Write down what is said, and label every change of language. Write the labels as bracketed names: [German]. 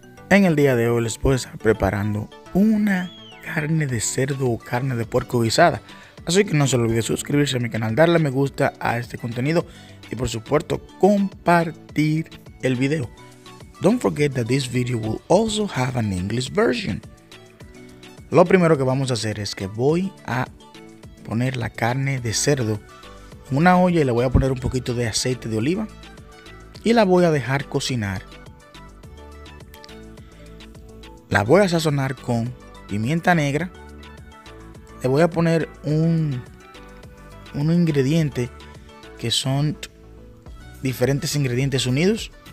[Spanish] En el día de hoy les voy a estar preparando una carne de cerdo o carne de puerco guisada. Así que no se olvide suscribirse a mi canal, darle me gusta a este contenido y por supuesto compartir el video. [English] Don't forget that this video will also have an English version. [Spanish] Lo primero que vamos a hacer es que voy a poner la carne de cerdo en una olla y le voy a poner un poquito de aceite de oliva y la voy a dejar cocinar. La voy a sazonar con pimienta negra. Le voy a poner un ingrediente que son diferentes ingredientes unidos.